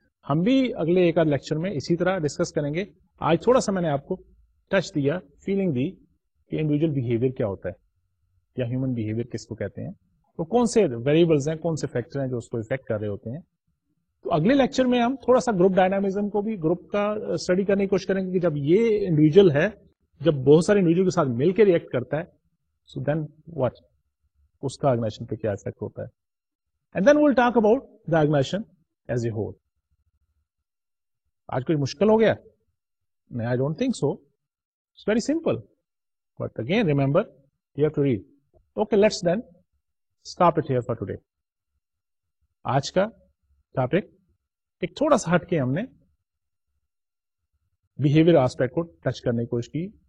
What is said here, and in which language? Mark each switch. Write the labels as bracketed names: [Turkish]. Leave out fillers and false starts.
[Urdu] ہم بھی اگلے ایک آدھ لیکچر میں اسی طرح ڈسکس کریں گے. آج تھوڑا سا میں نے آپ کو ٹچ دیا, فیلنگ دی کہ انڈیویجل بہیویئر کیا ہوتا ہے یا ہیومن بہیویئر کس کو کہتے ہیں, تو کون سے ویریبلز ہیں, کون سے فیکٹر ہیں جو اس کو افیکٹ کر رہے ہوتے ہیں. تو اگلے لیکچر میں ہم تھوڑا سا گروپ ڈائنامزم کو بھی, گروپ کا اسٹڈی کرنے کی کوشش کریں گے کہ جب یہ انڈیویجل ہے, جب بہت سارے انڈیویجل کے ساتھ مل کے ریئیکٹ کرتا ہے, [English] so then what, [Urdu] اس کا آرگنائزیشن پہ کیا افیکٹ ہوتا ہے. [English] And then will talk about the organization as a whole. [Urdu] آج کچھ مشکل ہو گیا؟ نہیں, [English] I don't think so. It's very simple, but again remember you have to read. Okay, let's then Stop it here for today. [Urdu] آج کا topic ایک تھوڑا سا ہٹ کے ہم نے بہیویئر آسپیکٹ کو ٹچ کرنے کی کوشش کی.